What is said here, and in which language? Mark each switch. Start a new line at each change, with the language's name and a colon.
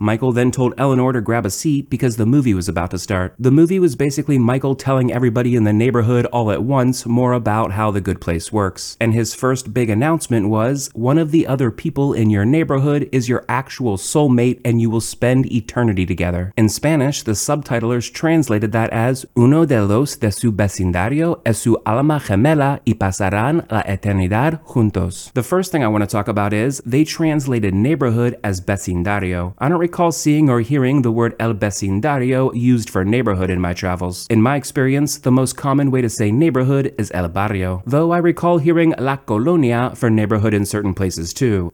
English: Michael then told Eleanor to grab a seat because the movie was about to start. The movie was basically Michael telling everybody in the neighborhood all at once more about how the good place works. And his first big announcement was, one of the other people in your neighborhood is your actual soulmate and you will spend eternity together. In Spanish, the subtitlers translated that as,
Spanish: uno de los de su vecindario es su alma gemela y pasarán la eternidad juntos.
English: The first thing I want to talk about is, they translated neighborhood as vecindario. I don't recall seeing or hearing the word el vecindario used for neighborhood in my travels. In my experience, the most common way to say neighborhood is el barrio. Though I recall hearing la colonia for neighborhood in certain places too.